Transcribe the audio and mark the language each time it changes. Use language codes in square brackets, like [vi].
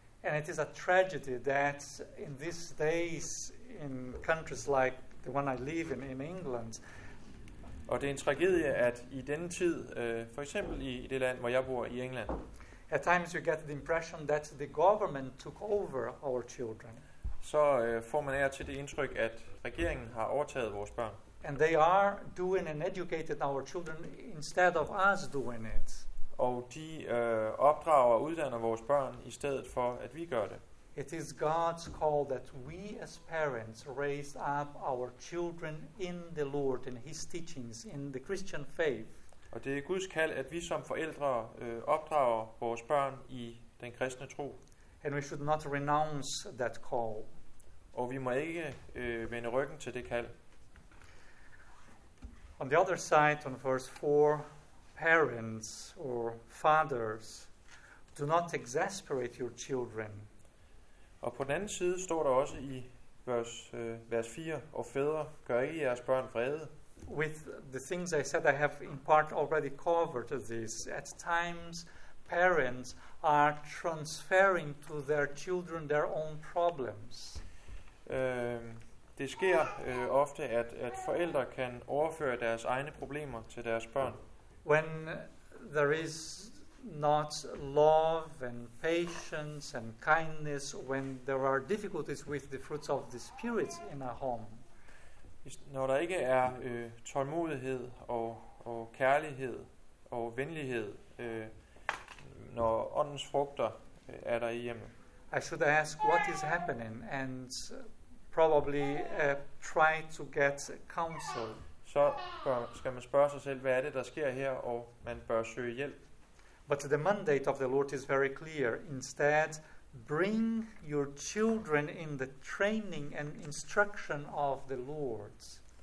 [en] And it is a tragedy that in these days in countries like the one I live in England. [da] Og det er en tragedie, at i denne tid, for eksempel i det land, hvor jeg bor, i England. [en] At times you get the impression that the government took over our children. [da] Så får man af til det indtryk, at regeringen har overtaget vores børn. [en] And they are doing and educating our children instead of us doing it. [da] Og de opdrager og uddanner vores børn i stedet for at vi gør det. [en] It is God's call that we as parents raise up our children in the Lord, in His teachings, in the Christian faith. [da] Og det er Guds kald, at vi som forældre opdrager vores børn i den kristne tro. [en] And we should not renounce that call. [da] Og vi må ikke vende ryggen til det kald. [en] On the other side, on verse 4, parents or fathers, do not exasperate your children. [da] Og på den anden side står der også i vers 4, og fædre, gør ikke jeres børn vrede. [en] With the things I said, I have in part already covered this. At times, parents are transferring to their children their own problems. [da] Det sker ofte, at forældre kan overføre deres egne problemer til deres børn. [en] When there is not love and patience and kindness, when there are difficulties with the fruits of the Spirit in a home. [da] Når der ikke er tålmodighed og kærlighed og venlighed, når åndens frugter er der i hjemmet. [en] I should ask what is happening and probably try to get counsel. [da] Så skal man spørge sig selv, hvad er det, der sker her, og man bør søge hjælp. [en] But the mandate of the Lord is very clear. Instead, bring your children in the training and instruction of the Lord.